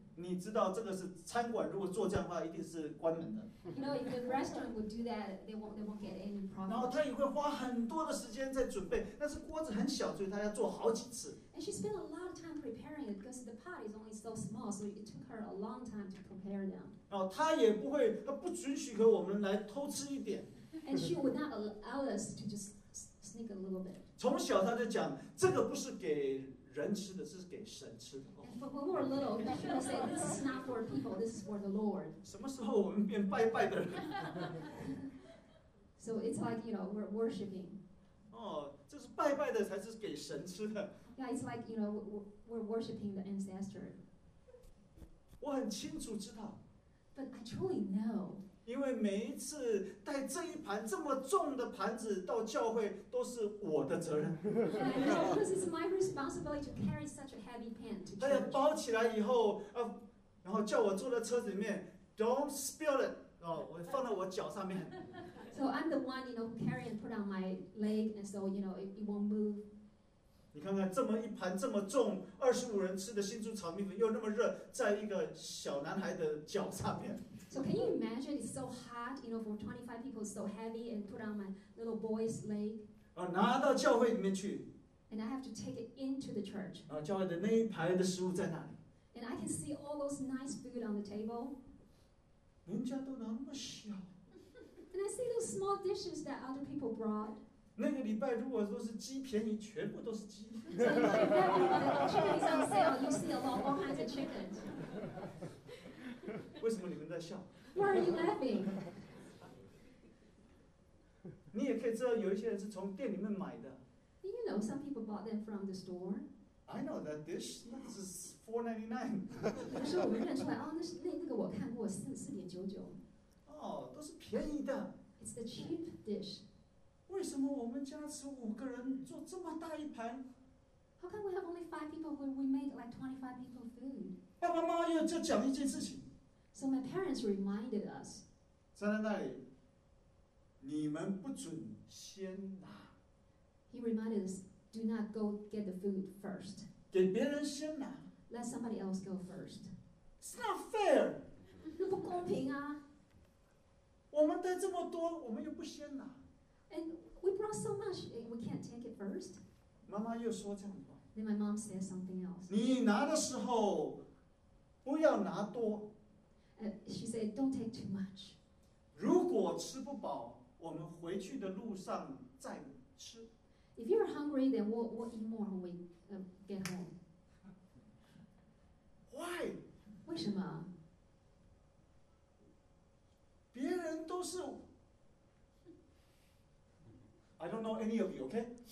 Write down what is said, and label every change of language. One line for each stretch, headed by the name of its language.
Chinese: 你知道这个是餐馆，如果做这样的话，一定是关门的。
English: You know, if the restaurant would do that, they won't get any profit.
Chinese: 然后他也会花很多的时间在准备，但是锅子很小，所以他要做好几次。
English: And she spent a lot of time preparing it because the pot is only so small, so it took her a long time to prepare them.
Chinese: 他也不会，他不准许给我们来偷吃一点。
English: And she would not allow us to just sneak a little bit.
Chinese: 从小他就讲，这个不是给人吃的，是给神吃的。
English: When we were little, she would say, "This is not for people. This is for the Lord."
Chinese: 什么时候我们变拜拜的人
English: ？So it's like you know we're worshiping.
Chinese: 这是拜拜的才是给神吃的。
English: Yeah, it's like you know we're worshiping the ancestor.
Chinese: 我很清楚知道。
English: But I truly know.
Chinese: 因为每一次带这一盘这么重的盘子到教会，都是我的责任。
English: Because it's my responsibility to carry such a heavy pan to church.
Chinese: 他包起来以后，然后叫我坐在车子里面 ，
English: Don't spill it，
Chinese: 我放在我脚上面。
English: So I'm the one, you know, carry and put on my leg, and so you know it won't move.
Chinese: 你看看这么一盘这么重，25人吃的新竹炒米粉又那么热，在一个小男孩的脚上面。
English: So can you imagine it's so hot, you know, for 25 people, so heavy, and put on my little boy's leg?
Chinese: 拿到教会里面去。
English: And I have to take it into the church.
Chinese: 教会的那一排的食物在哪里？
English: And I can see all those nice food on the table.
Chinese: 人家都那么小。
English: And I see those small dishes that other people brought.
Chinese: 那个礼拜如果都是鸡便宜，全部都是鸡。
English: So if you have the chicken is on sale, you see a lot, all kinds of chickens.
Chinese: 为什么你们在笑
English: ？Why are you laughing？
Chinese: 你也可以知道，有一些人是从店里面买的。
English: You know, some people bought them from the store. I know that dish. This is $4.99.
Chinese: 说我们认出来，哦，那是那那个我看过，4.99。哦，都是便宜的。
English: It's the cheap dish.
Chinese: 为什么我们家吃五个人做这么大一盘？
English: How come we have only five people when we made like 25 people food?
Chinese: 爸爸妈妈又在讲一件事情。
English: So my parents reminded us.
Chinese: 站在那里，你们不准先拿。
English: He reminded us. Do not go get the food first.
Chinese: 给别人先拿。
English: Let somebody else go first. It's not fair.
Chinese: 那不公平啊。我们带这么多，我们又不先拿。
English: And we brought so much, we can't take it first.
Chinese: 妈妈又说这样的话。
English: Then my mom said something else.
Chinese: 你拿的时候，不要拿多。
English: She said, don't take too much.
Chinese: 如果吃不饱，我们回去的路上再吃。
English: If you're hungry, then we'll eat more when we get home. Why?
Chinese: 为什么？别人都是
English: I don't know any of you, okay?